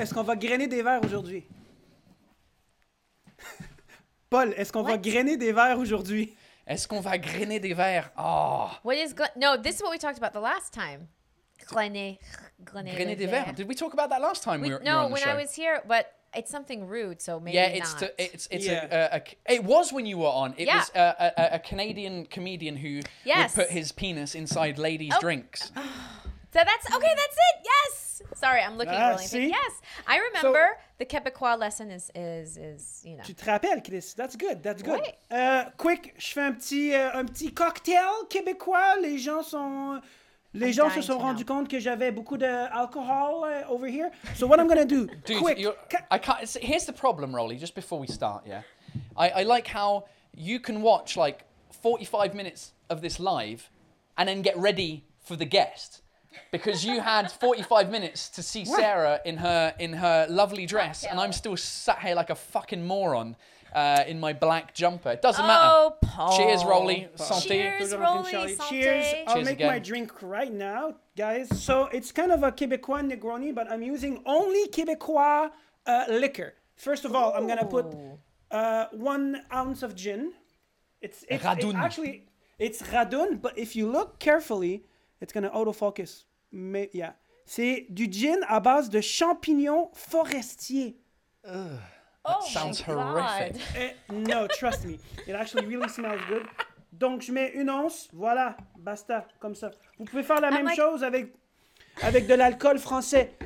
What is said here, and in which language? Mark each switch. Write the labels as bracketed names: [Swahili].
[French] est-ce qu'on va grainer des verres aujourd'hui? Paul, est-ce qu'on va grainer des verres aujourd'hui? Est-ce qu'on va grainer des verres? Oh. [English] This is what we talked about the last time. [French] Grainer [English] des verres. Did we talk about that last time? I was here, but. It's something rude, so maybe not. Yeah, it's not. It was when you were on. It was a Canadian comedian who would put his penis inside ladies' drinks. So that's okay. That's it. Yes. Sorry, I'm looking really. See? Yes, I remember the Quebecois lesson is you know. [French] Tu te rappelles, Chris? [English] That's good. That's good. Quick, [French] je fais un petit cocktail québécois. Les gens sont. Les gens se sont rendus compte que j'avais beaucoup d'alcohol [English] over here. So what I'm going to do, here's the problem, Rolly, just before we start, yeah? I like how you can watch like 45 minutes of this live and then get ready for the guest. Because you had 45 minutes to see Sarah in her lovely dress. Okay. And I'm still sat here like a fucking moron in my black jumper. It doesn't matter. Oh, Paul. Cheers, Rolly. Santé. Cheers, Rolly. Santé. Cheers. I'll make my drink right now, guys. So it's kind of a Quebecois Negroni, but I'm using only Quebecois liquor. First of all, I'm going to put 1 ounce of gin. It's Radun, but if you look carefully, it's going to autofocus. [French] C'est du gin à base de champignons forestiers. [English] That sounds horrific. No, trust me. It actually really smells good. [French] Donc, je mets 1 once. Voilà. Basta. Comme ça. Vous pouvez faire la même chose avec de l'alcool français.